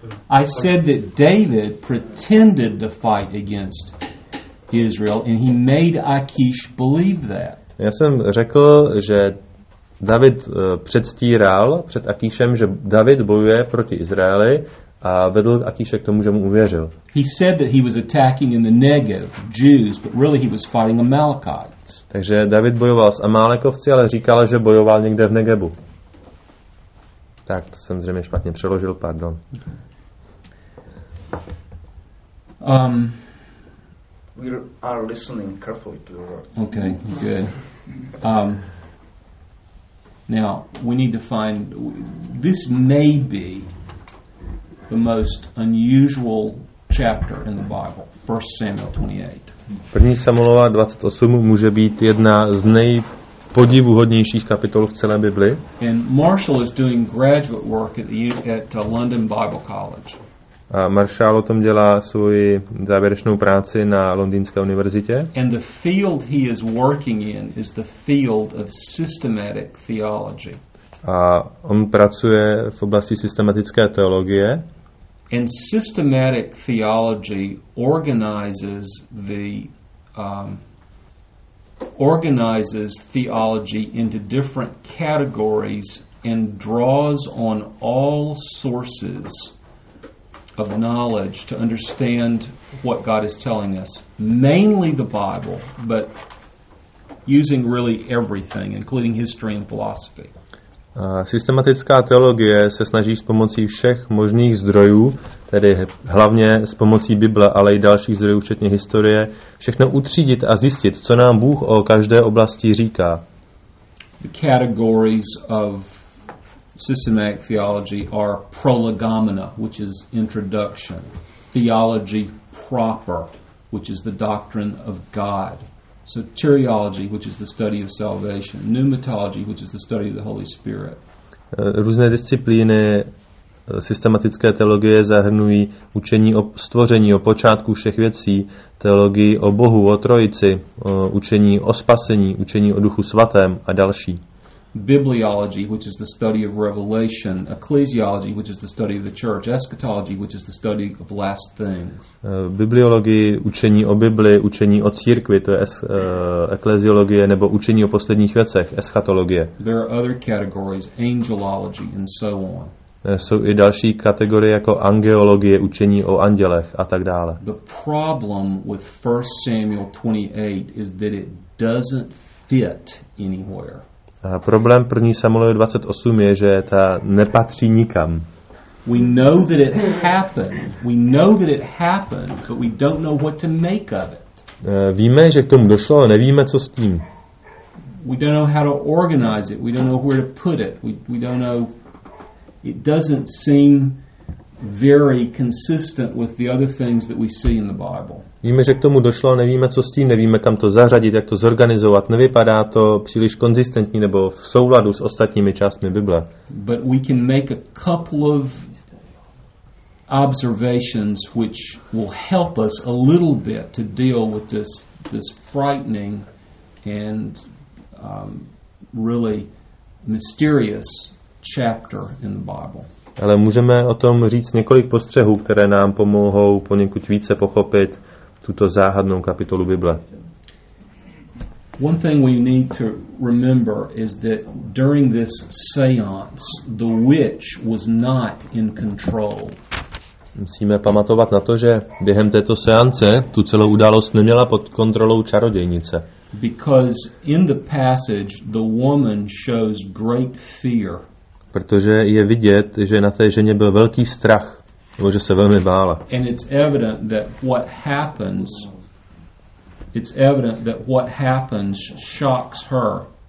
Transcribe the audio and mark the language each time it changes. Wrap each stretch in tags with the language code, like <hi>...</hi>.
<en>I said that David pretended to fight against Israel and he made Achish believe that.</en> <cs>Já jsem řekl, že David předstíral před Achishem, že David bojuje proti Izraeli a vedl Achishe k tomu, že mu uvěřil.</cs> <en>He said that he was attacking in the Negev Jews, but really he was fighting Amalekites.</en> <cs>Takže David bojoval s Amalekovci, ale říkal, že bojoval někde v Negebu. Tak, to jsem zřejmě špatně přeložil, pardon.</cs> <en>We are listening carefully to your words. Okay, good. Now, we need to find... This may be the most unusual chapter in the Bible, 1 Samuel 28.</en> <cs>První Samuelova 28 může být jedna z podivuhodnějších kapitol v celé Bibli.</cs> <en>And Marshall is doing graduate work at London Bible College.</en> <cs>A Marshall o tom dělá svoji závěrečnou práci na Londýnské univerzitě.</cs> <en>And the field he is working in is the field of systematic theology.</en> <cs>A on pracuje v oblasti systematické teologie.</cs> <en>And systematic theology organizes the organizes theology into different categories and draws on all sources of knowledge to understand what God is telling us, mainly the Bible, but using really everything, including history and philosophy.</en> <cs>Systematická teologie se snaží s pomocí všech možných zdrojů, tedy hlavně s pomocí Bible, ale i dalších zdrojů, včetně historie, všechno utřídit a zjistit, co nám Bůh o každé oblasti říká.</cs> <en>The categories of systematic theology are prolegomena, which is introduction, theology proper, which is the doctrine of God. Soteriology, which is the study of salvation. Pneumatology, which is the study of the Holy Spirit.</en> <cs>Různé disciplíny systematické teologie zahrnují učení o stvoření, o počátku všech věcí, teologii o Bohu, o Trojici, učení o spasení, učení o Duchu Svatém a další.</cs> <en>Bibliology, which is the study of revelation, ecclesiology, which is the study of the church, eschatology, which is the study of last things.</en> <cs>Bibliologie, učení o Bibli, učení o církvi, to je ekleziologie nebo učení o posledních věcech, eschatologie.</cs> <en>There are other categories, angelology and so on.</en> <cs>Jsou i další kategorie jako angeologie, učení o andělech a tak dále.</cs> <en>The problem with 1 Samuel 28 is that it doesn't fit anywhere.</en> <cs>A problém 1. Samuelovi 28 je, že ta nepatří nikam.</cs> <en>We know that it happened. We know that it happened, but we don't know what to make of it.</en> <cs>Víme, že k tomu došlo, ale nevíme, co s tím.</cs> <en>We don't know how to organize it. We don't know where to put it. We don't know. It doesn't seem very consistent with the other things that we see in the Bible.</en> <cs>Víme, že k tomu došlo, ale nevíme, co s tím, nevíme, kam to zařadit, jak to zorganizovat. Nevypadá to příliš konzistentní nebo v souladu s ostatními částmi Bible.</cs> <en>But we can make a couple of observations which will help us a little bit to deal with this frightening and really mysterious chapter in the Bible.</en> <cs>Ale můžeme o tom říct několik postřehů, které nám pomohou poněkud více pochopit tuto záhadnou kapitolu Bible.</cs> <en>One thing we need to remember is that during this séance, the witch was not in control.</en> <cs>Musíme pamatovat na to, že během této seance tu celou událost neměla pod kontrolou čarodějnice.</cs> <en>Because in the passage the woman shows great fear.</en> <cs>Protože je vidět, že na té ženě byl velký strach, nebo že se velmi bála.</cs> <en>And it's evident that what happens shocks her.</en>